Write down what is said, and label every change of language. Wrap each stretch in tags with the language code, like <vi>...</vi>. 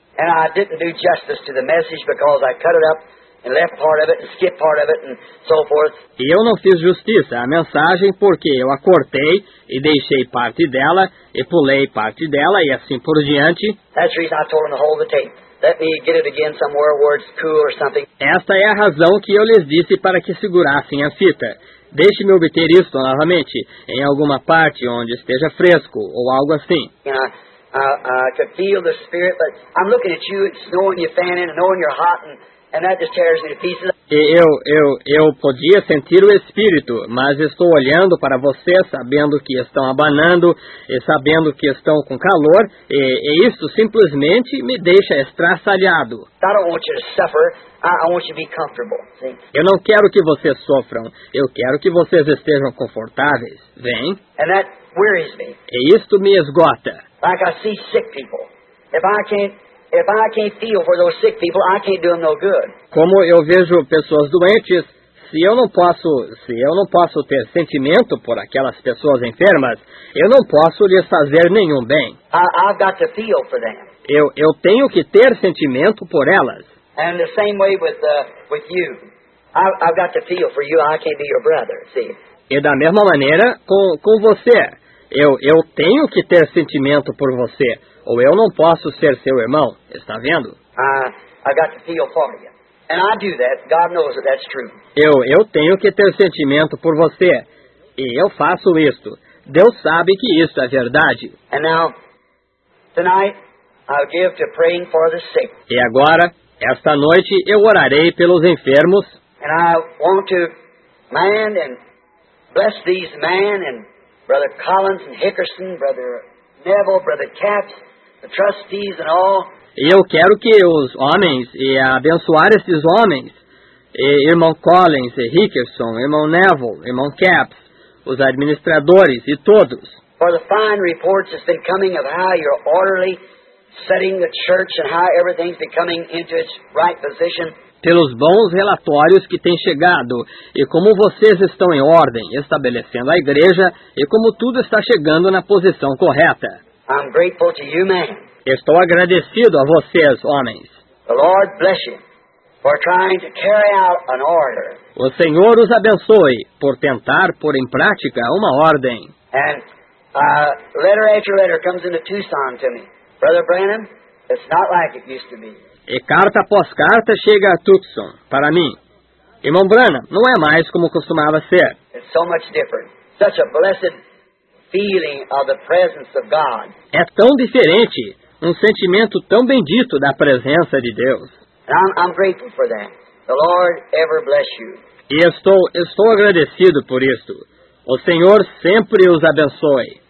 <en>And I didn't do justice to the message because I cut it up and left part of it and skipped part of it and so forth.</en> <pt>E eu não fiz justiça à mensagem porque eu a cortei e deixei parte dela e pulei parte dela e assim por diante.</pt> <en>That's the reason I told him to hold the tape. Let me get it again somewhere where it's cool or something.</en> <pt>Esta é a razão que eu lhes disse para que segurassem a fita. Deixe-me obter isto novamente em alguma parte onde esteja fresco ou algo assim.</pt> <en>I could feel the spirit, but I'm looking at you and snowing, you're fanning, knowing you're hot, and that just tears me to pieces.</en> <pt>Eu podia sentir o espírito, mas estou olhando para você, sabendo que estão abanando e sabendo que estão com calor, e isso simplesmente me deixa estraçalhado.</pt> <en>I don't want you to suffer. I want you to be comfortable. See?</en> <pt>Eu não quero que vocês sofram. Eu quero que vocês estejam confortáveis. Vem.</pt> <en>And that wearies me.</en> <pt>E isto me esgota.</pt> <en>Like I see sick people. If I can't feel for those sick people, I can't do them no good.</en> <pt>Como eu vejo pessoas doentes, se eu não posso ter sentimento por aquelas pessoas enfermas, eu não posso lhes fazer nenhum bem.</pt> <en>I've got to feel for them.</en> <pt>Eu tenho que ter sentimento por elas.</pt> <en>And the same way with you. I've got to feel for you. I can't be your brother. See?</en> <pt>E da mesma maneira com você. Eu tenho que ter sentimento por você, ou eu não posso ser seu irmão, está vendo?</pt> <en>I got to feel for you. And I do that. God knows that that's true.</en> <pt>Eu tenho que ter sentimento por você, e eu faço isto. Deus sabe que isso é verdade.</pt> <en>And now, tonight, I'll give to praying for the sick.</en> <pt>E agora, esta noite, eu orarei pelos enfermos.</pt> <en>And I want to man and bless these men and Brother Collins and Hickerson, Brother Neville, Brother Capps, the trustees and all.</en> <pt>Eu quero que os homens, e abençoar esses homens, e irmão Collins, e Hickerson, irmão Neville, irmão Capps, os administradores e todos.</pt> <en>For the fine reports that's been coming of how you're orderly setting the church and how everything's becoming into its right position.</en> <pt>Pelos bons relatórios que têm chegado, e como vocês estão em ordem, estabelecendo a igreja, e como tudo está chegando na posição correta.</pt> <en>I'm grateful to you, man.</en> <pt>Estou agradecido a vocês, homens.</pt> <en>The Lord bless you for trying to carry out an order.</en> <pt>O Senhor os abençoe por tentar pôr em prática uma ordem.</pt> <en>And letter after letter comes into Tucson to me. Brother Branham, it's not like it used to be.</en> <pt>E carta após carta chega a Tucson, para mim. Irmão Branham, não é mais como costumava ser.</pt> <en>It's so much different. Such a blessed feeling of the presence of God.</en> <pt>É tão diferente, um sentimento tão bendito da presença de Deus.</pt> <en>I'm grateful for that. The Lord ever bless you.</en> <pt>E estou agradecido por isto. O Senhor sempre os abençoe.</pt>